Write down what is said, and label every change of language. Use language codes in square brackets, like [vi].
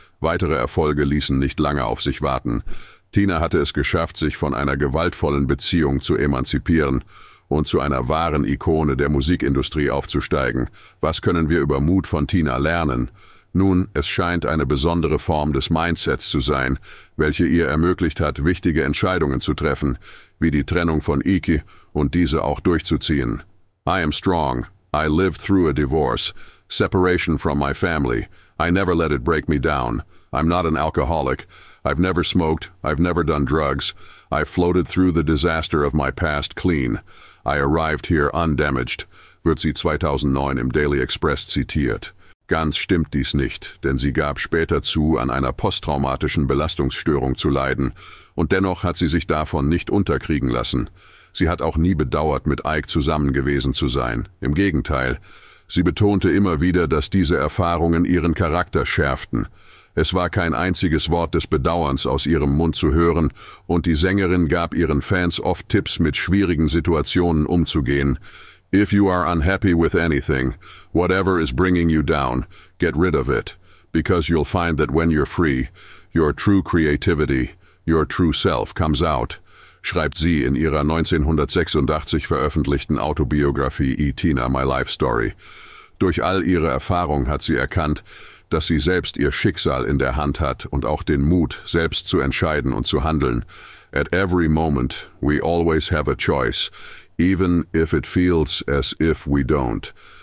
[de] Weitere Erfolge ließen nicht lange auf sich warten. Tina hatte es geschafft, sich von einer gewaltvollen Beziehung zu emanzipieren und zu einer wahren Ikone der Musikindustrie aufzusteigen. Was können wir über Mut von Tina lernen? Nun, es scheint eine besondere Form des Mindsets zu sein, welche ihr ermöglicht hat, wichtige Entscheidungen zu treffen, wie die Trennung von Ike und diese auch durchzuziehen. [en] I am strong. I lived through a divorce. Separation from my family. I never let it break me down. I'm not an alcoholic. I've never smoked. I've never done drugs. I floated through the disaster of my past clean. I arrived here undamaged, [de] wird sie 2009 im Daily Express zitiert. Ganz stimmt dies nicht, denn sie gab später zu, an einer posttraumatischen Belastungsstörung zu leiden, und dennoch hat sie sich davon nicht unterkriegen lassen. Sie hat auch nie bedauert, mit Ike zusammen gewesen zu sein. Im Gegenteil, sie betonte immer wieder, dass diese Erfahrungen ihren Charakter schärften. Es war kein einziges Wort des Bedauerns aus ihrem Mund zu hören, und die Sängerin gab ihren Fans oft Tipps, mit schwierigen Situationen umzugehen. [en] If you are unhappy with anything, whatever is bringing you down, get rid of it, because you'll find that when you're free, your true creativity, your true self comes out, [de] schreibt sie in ihrer 1986 veröffentlichten Autobiografie [en] E-Tina, My Life Story. [de] Durch all ihre Erfahrung hat sie erkannt, dass sie selbst ihr Schicksal in der Hand hat und auch den Mut, selbst zu entscheiden und zu handeln. [en] At every moment, we always have a choice, even if it feels as if we don't.